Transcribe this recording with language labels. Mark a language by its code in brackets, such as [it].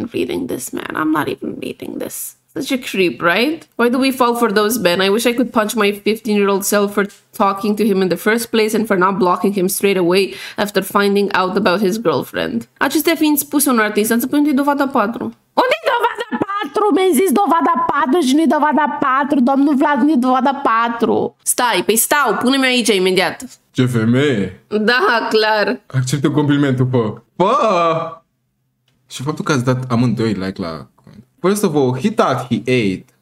[en] I'm not even reading this, man. Such a creep, right? Why do we fall for those men? I wish I could punch my 15-year-old self for talking to him in the first place and for not blocking him straight away after finding out about his girlfriend. [ro] Acestea fiind spus un artist, să pun dovada 4. Unde e dovada 4? Mi-ai zis dovada 4 și nu e dovada 4. Domnul Vlad, nu e dovada 4. Stai, păi stau, pune-mi aici imediat. Ce femeie? Da, clar. Acceptă complimentul, pă. Pă! Și faptul că ați dat amândoi like la... [en] First of all, he thought he ate.